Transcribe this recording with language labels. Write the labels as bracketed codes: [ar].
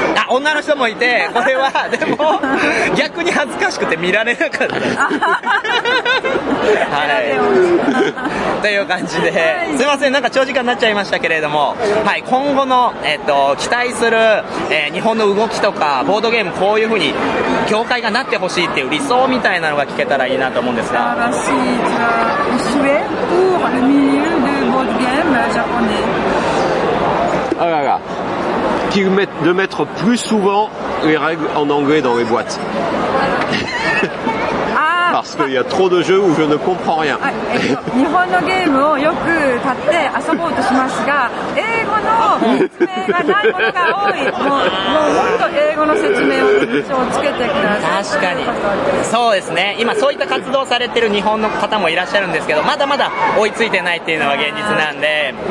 [ja] あ女の人もいてこれはでも逆に恥ずかしくて見られなかったはいという感じですいませんなんか長時間になっちゃいましたけれども、はい、今後の、期待する、日本の動きとかボードゲームこういう風に業界がなってほしいっていう理想みたいなのが聞けたらいいなと思うんですが。 [fr] Ah, bah, si, je souhaite pour le milieu de board game japonais. Ah, là, là. Qu'ils mettent, de mettre plus souvent les règles en anglais dans les boîtes. Ah, parce qu'il y a trop de jeux où je ne comprends rien. [ja] Ah, 日本のゲームをよく買って遊ぼうとしますが、英語の説明がないものが多い。もう、もっと英語の説明を。確かにそうですね今そういった活動されてる日本の方もいらっしゃるんですけどまだまだ追いついてないっていうのが現実なんで